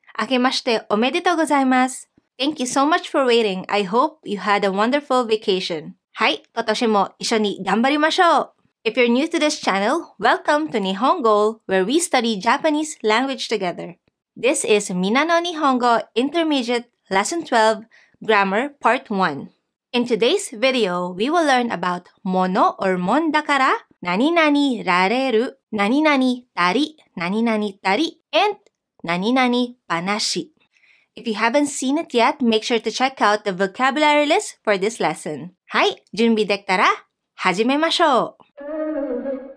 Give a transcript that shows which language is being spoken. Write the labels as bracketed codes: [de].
[ja] 明けましておめでとうございます。 [en] Thank you so much for waiting. I hope you had a wonderful vacation. [ja] はい、今年も一緒に頑張りましょう。 [en] If you're new to this channel, welcome to NihonGoal, where we study Japanese language together. This is Minna No Nihongo Intermediate Lesson 12, Grammar Part 1. In today's video, we will learn about mono or mondakara, 何々られる何々たり、何々たり、and 何々話。 If you haven't seen it yet, make sure to check out the vocabulary list for this lesson. [ja] はい、準備できたら始めましょう。